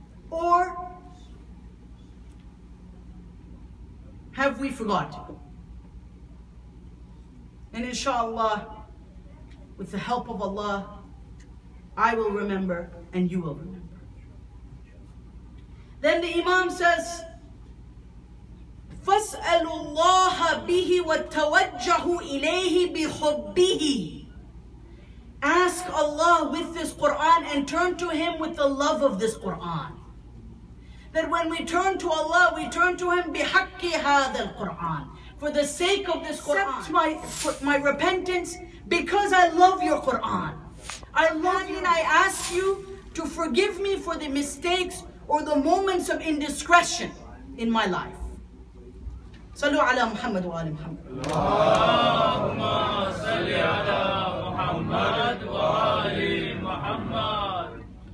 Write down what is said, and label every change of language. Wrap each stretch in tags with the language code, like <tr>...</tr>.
<en>Or have we forgotten? And inshallah, with the help of Allah, I will remember and you will remember. Then the Imam says,</en> <ar>فَاسْأَلُوا اللَّهَ بِهِ وَتَوَجَّهُوا إِلَيْهِ بِحُبِّهِ.</ar> <en>Ask Allah with this Quran and turn to Him with the love of this Quran. That when we turn to Allah, we turn to Him</en> <ar>بِحَقِّ هَذَا الْقُرْآنِ.</ar> <en>For the sake of this Quran. Accept my repentance because I love your Quran. I love you and I ask you to forgive me for the mistakes or the moments of indiscretion in my life.</en> <ar>صلوا على محمد وآل محمد. اللهم صل على محمد وآل محمد.</ar>